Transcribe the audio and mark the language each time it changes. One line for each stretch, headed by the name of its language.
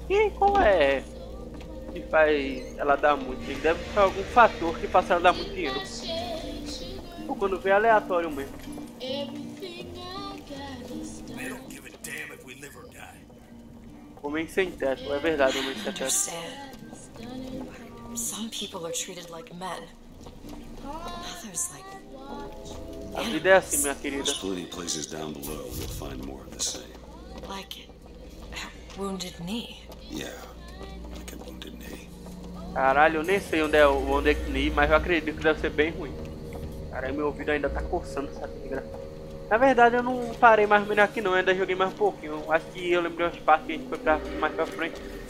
Portuguese: E qual é que faz ela dar muito? Ele deve ser algum fator que faça ela dar muito dinheiro. Pô, quando vê, é aleatório mesmo. Homem sem teto, é verdade, homem sem teto.
English: Some people are treated like men. Others like.
Portuguese: A vida é assim, minha querida.
English: There's plenty of places down below you'll find more of the same. Like a wounded knee. Yeah, like a wounded knee.
Portuguese: Caralho, eu nem sei onde é o wounded knee, mas eu acredito que deve ser bem ruim. Caralho, meu ouvido ainda tá coçando essa tigra. Na verdade, eu não parei mais melhor aqui não, eu ainda joguei mais um pouquinho. Acho que eu lembrei umas partes que a gente foi pra mais pra frente.